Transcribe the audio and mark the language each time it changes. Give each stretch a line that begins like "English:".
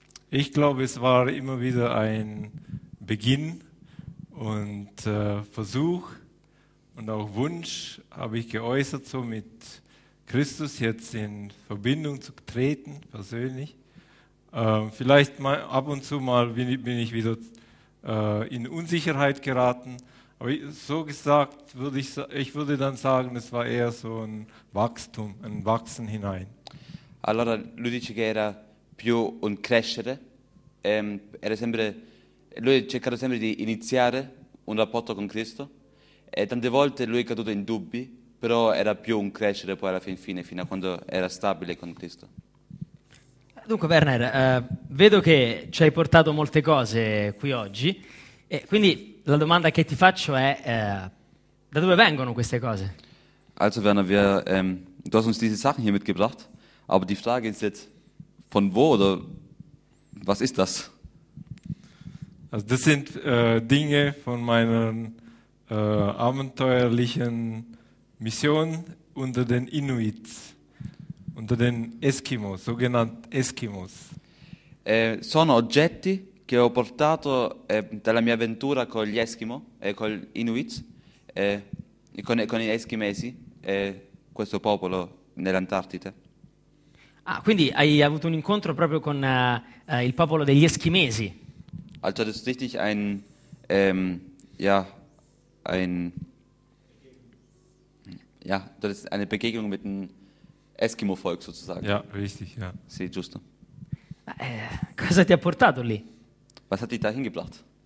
German: Ich glaube, es war immer wieder ein Beginn und Versuch und auch Wunsch habe ich geäußert, so mit Christus jetzt in Verbindung zu treten, persönlich. Vielleicht mal ab und zu mal bin ich wieder in Unsicherheit geraten, aber so gesagt, würde ich dann sagen, es war eher so ein Wachstum, ein Wachsen hinein.
Italian: Allora, lui dice che era più un crescere, lui ha cercato sempre di iniziare un rapporto con Cristo e tante volte lui è caduto in dubbi, però era più un crescere poi alla fine, fino a quando era stabile con Cristo. Dunque Werner, vedo che ci hai portato molte cose qui oggi, e quindi la domanda che ti faccio è, da dove vengono queste cose?
German: Also Werner, du hast uns diese Sachen hier mitgebracht, aber die Frage ist jetzt, von wo oder was ist das? Also das sind Dinge von meiner abenteuerlichen Mission unter den Inuit, unter den Eskimos, sogenannten Eskimos.
Italian: Sono oggetti che ho portato dalla mia avventura con gli Eskimo, con gli Inuit, con gli Eskimesi, questo popolo nell'Antartide. Ah, quindi hai avuto un incontro proprio con il popolo degli Eschimesi.
German: Also das ist richtig ein, das ist eine Begegnung mit dem Eskimo-Volk sozusagen. Ja, richtig, ja.
Italian: Sì, giusto. Cosa ti ha portato lì?
German: Was hat dich dahin gebracht?